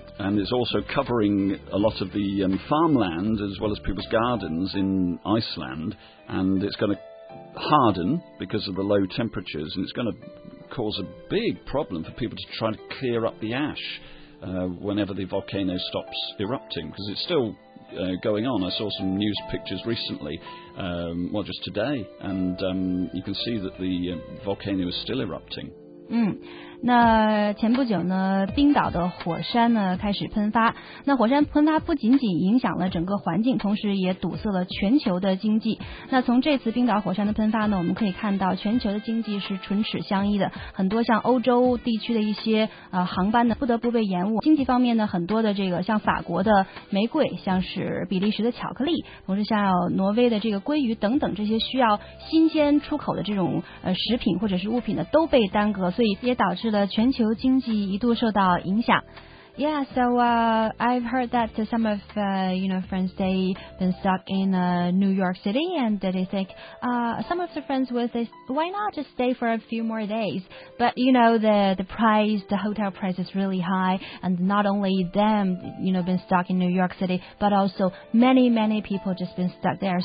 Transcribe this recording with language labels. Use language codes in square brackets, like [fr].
[en] And it's also covering a lot of the farmland as well as people's gardens in Iceland, and it's going to harden because of the low temperatures, and it's going to cause a big problem for people to try to clear up the ash whenever the volcano stops erupting, because it's still going on. I saw some news pictures recently, just today, and you can see that the volcano is still erupting. [zh] 那前不久呢，冰岛的火山呢开始喷发。那火山喷发不仅仅影响了整个环境，同时也堵塞了全球的经济。那从这次冰岛火山的喷发呢，我们可以看到全球的经济是唇齿相依的，很多像欧洲地区的一些航班呢不得不被延误。经济方面呢，很多的这个像法国的玫瑰，像是比利时的巧克力，同时像挪威的这个鲑鱼等等，这些需要新鲜出口的这种食品或者是物品呢都被耽搁，所以也导致了全球经济一度受到影响。 [en] Yeah, so I've heard that some of friends, they've been stuck in New York City, and they think some of the friends with this, why not just stay for a few more days? But you know, the price, the hotel price is really high, and not only them, you know, been stuck in New York City, but also many, many people just been stuck there.